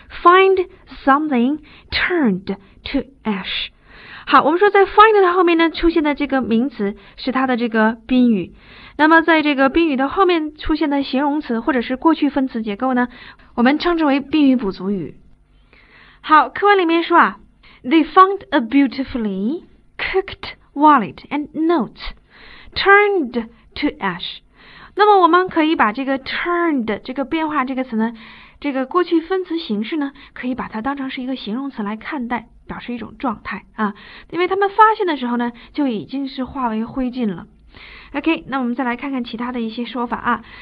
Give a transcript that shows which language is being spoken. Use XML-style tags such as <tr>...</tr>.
<en>Find something turned to ash.</en> <zh>好，我们说在 find 的后面呢出现的这个名词是它的这个宾语，那么在这个宾语的后面出现的形容词或者是过去分词结构呢，我们称之为宾语补足语。好，课文里面说啊，</zh> <en>They found a beautifully cooked wallet and notes turned to ash。</en> <zh>那么我们可以把这个 turned 这个变化这个词呢，这个过去分词形式呢，可以把它当成是一个形容词来看待，表示一种状态啊，因为他们发现的时候呢就已经是化为灰烬了。 OK, 那我们再来看看其他的一些说法啊。</zh>